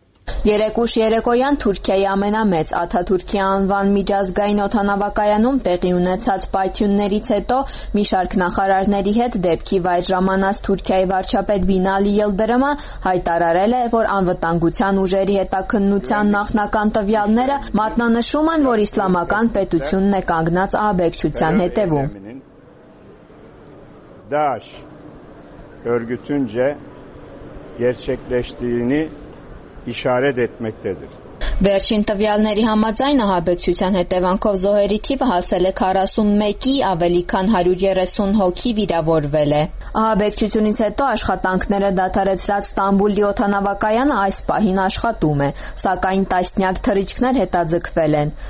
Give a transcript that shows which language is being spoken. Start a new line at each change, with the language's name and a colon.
Armenian: 3 երեկոյան Թուրքիայի ամենամեծ Աթաթուրքի անվան միջազգային օդանավակայանում տեղի ունեցած պայթյուններից հետո մի շարք նախարարների հետ դեպքի վայր ժամանած Թուրքիայի վարչապետ Բինալի Յելդրեմը հայտարարել է, որ անվտանգության ուժերի հետաքննության նախնական տվյալները մատնանշում են, որ իսլամական պետությունն է կանգնած ահաբեկչության հետևում։
Turkish: Դաշ örgütünce gerçekleştiğini işaret etmektedir.
Armenian: Վերջին տվյալների համաձայն ահաբեկչության հետևանքով զոհերի թիվը հասել է 41-ի, ավելի քան 130 հոգի վիրավորվել է։ Ահաբեկչությունից հետո աշխատանքները դադարեցրած Ստամբուլի օդանավակայանը այս պահին աշխատում է, սակայն տասնյակ թռիչքներ հետաձգվել են։